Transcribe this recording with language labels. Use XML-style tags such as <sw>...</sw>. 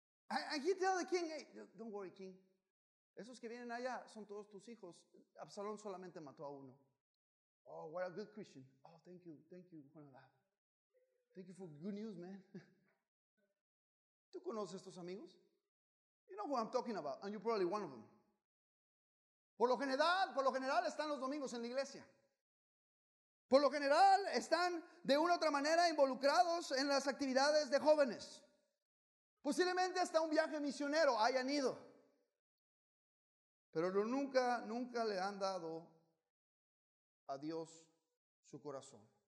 <en>And he tell the king, hey, don't worry, king.</en> <es>Esos que vienen allá son todos tus hijos. Absalón solamente mató a uno.</es> <en>Oh, what a good Christian. Oh, thank you, Jonadab. Thank you for good news, man.</en> <es>¿Tú conoces a estos amigos?</es> <en>You know who I'm talking about, and you're probably one of them.</en> <es>Por lo general están los domingos en la iglesia. Por lo general están de una u otra manera involucrados en las actividades de jóvenes. Posiblemente hasta un viaje misionero hayan ido. Pero nunca le han dado a Dios su corazón.</es>